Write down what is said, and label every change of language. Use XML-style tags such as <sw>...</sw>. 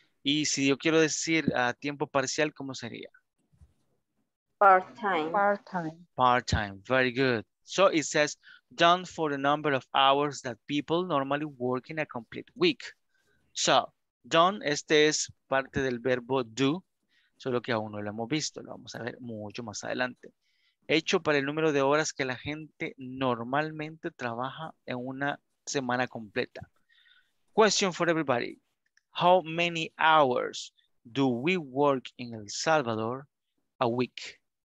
<es>Y si yo quiero decir a tiempo parcial, ¿cómo sería?</es> <en>Part-time. Part-time. Part-time. Very good. So it says, done for the number of hours that people normally work in a complete week.</en> <es>So, done, este es parte del verbo do, solo que aún no lo hemos visto, lo vamos a ver mucho más adelante. Hecho para el número de horas que la gente normalmente trabaja en una semana completa.</es> <en>Question for everybody. How many hours do we work in El Salvador a week?</en>